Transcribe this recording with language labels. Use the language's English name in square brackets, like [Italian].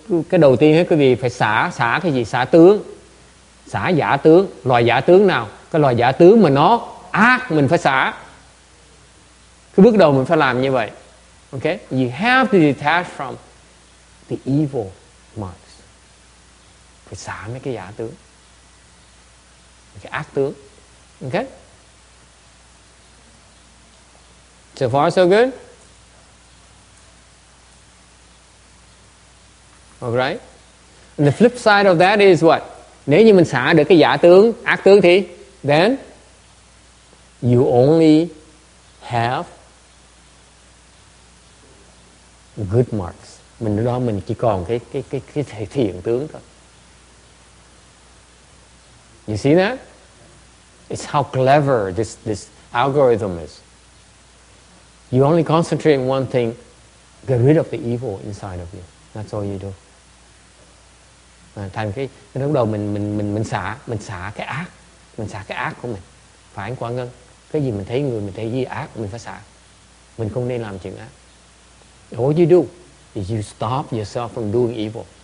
[Vietnamese] Cái đầu tiên hết, quý vị phải xả cái gì? Xả tướng. Xả giả tướng. Loài giả tướng nào? Cái loài giả tướng mà nó ác, mình phải xả. Cái bước đầu mình phải làm như vậy. [English] Okay? You have to detach from the evil marks. [Vietnamese] Phải xả mấy cái giả tướng. Cái ác tướng. Okay? [English] So far so good? Alright? And the flip side of that is what? [Vietnamese] Nếu như mình xả được cái giả tướng, ác tướng thì, [English] then, you only have good marks. [Vietnamese] Mình đó mình chỉ còn cái thiện tướng thôi. [English] You see that? It's how clever this algorithm is. You only concentrate on one thing, get rid of the evil inside of you. That's all you do. [Vietnamese] Thành cái lúc đầu mình xả cái ác của mình. Phải anh Quang Ngân. Cái gì mình thấy người, mình thấy gì ác, mình phải xả. Mình không nên làm chuyện ác. [English] All you do is you stop yourself from doing evil.